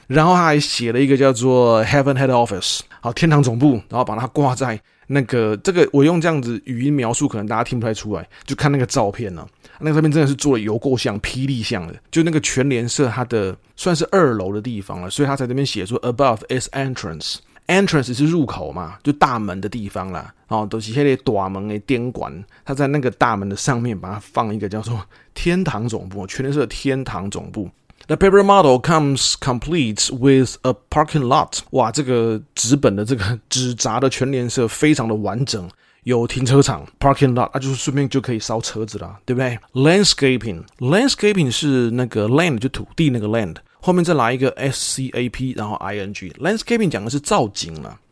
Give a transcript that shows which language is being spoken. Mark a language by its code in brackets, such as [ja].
[zh] 然后他还写了一个叫做 Heaven Head Office， 好，天堂总部，然后把它挂在那个这个，我用这样子语音描述，可能大家听不太出来，就看那个照片了、啊。那个照片真的是做了有够像霹雳像的，就那个全联社它的算是二楼的地方了，所以他在那边写说 [en] Above is entrance。 [zh] Entrance 是入口嘛，就大门的地方啦，齁、哦、都、就是那些大门的顶管，他在那个大门的上面把它放一个叫做天堂总部，全都是天堂总部。 [en] The paper model comes complete with a parking lot. [zh] 哇，这个纸本的这个纸扎的全联社非常的完整。有停车场 parking lot, 那、啊、就是顺便就可以烧车子啦，对不对 ?landscaping 是那个 land, 就土地那个 land。后面再来一个 SCAP, 然后 ING。landscaping 讲的是造景啦。